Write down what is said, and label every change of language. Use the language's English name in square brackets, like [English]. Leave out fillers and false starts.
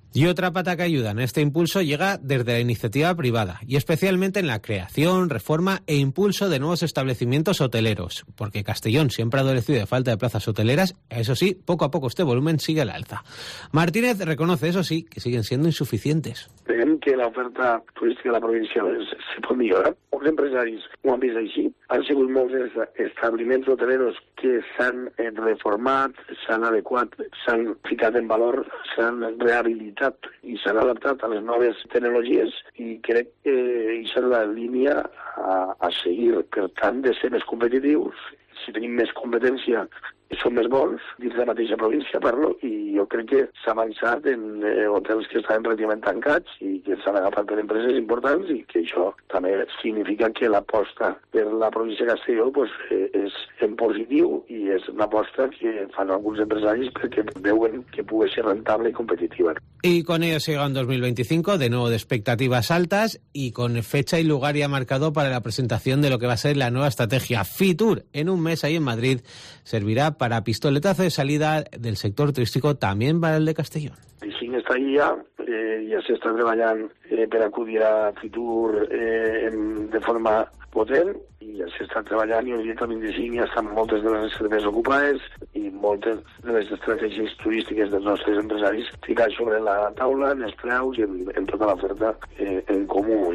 [Spanish] Y otra pata que ayuda en este impulso llega desde la iniciativa privada, y especialmente en la creación, reforma e impulso de nuevos establecimientos hoteleros, porque Castellón siempre ha adolecido de falta de plazas hoteleras, eso sí, poco a poco este volumen sigue al alza. Martínez reconoce, eso sí, que siguen siendo insuficientes. [Catalan] Creiem que la oferta turística de la província se pot millorar. Molts empresaris ho han vist així. Han sigut molts establiments hoteleros que s'han reformat, s'han adequat, s'han ficat en valor, s'han rehabilitat i s'han adaptat a les noves tecnologies, i crec que això és la línia a seguir. Per tant, de ser més competitius, si tenim més competència, són més bons dins de la mateixa província, parlo, i jo crec que s'ha avançat en hotels que estaven pràcticament tancats i que s'han agafat per empreses importants, i que això també significa que l'aposta per la província de Castelló pues, és en positiu, i és una aposta que fan alguns empresaris perquè veuen que pugui ser rentable i competitiva. [Spanish] Y con ello llega en 2025, de nuevo de expectativas altas y con fecha y lugar ya marcado para la presentación de lo que va a ser la nueva estrategia Fitur. En un mes ahí en Madrid servirá para pistoletazo de salida del sector turístico también para el de Castellón. Y sin esta guía, ya se está trabajando para acudir a Fitur de forma [Catalan] potent, i ja s'està treballant, i el dia 25 ja estan moltes de les reserves ocupades i moltes de les estratègies turístiques dels nostres empresaris ficades sobre la taula, en els preus i en tota l'oferta en comú.